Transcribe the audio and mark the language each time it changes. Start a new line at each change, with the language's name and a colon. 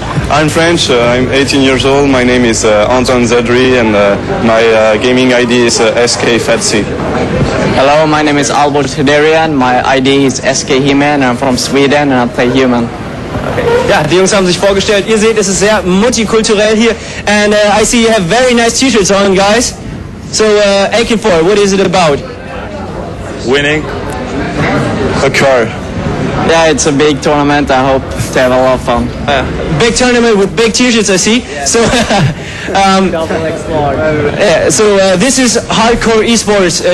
English: I'm French, I'm 18 years old, my name is Anton Zedri and my gaming ID is SK Fetsi. Hello, my name is Albert Hederian, my ID is SK Himen, I'm from Sweden and I play human.
German: Okay. Ja, die Jungs haben sich vorgestellt, ihr seht, es ist sehr multikulturell hier.
English: And I see you have very nice t-shirts on, guys. So, AK4, what is it about? Winning a car. Yeah, it's a big tournament. I hope to have a lot of fun. Big tournament with big t-shirts, I see. Yeah. So, yeah, so this is hardcore esports.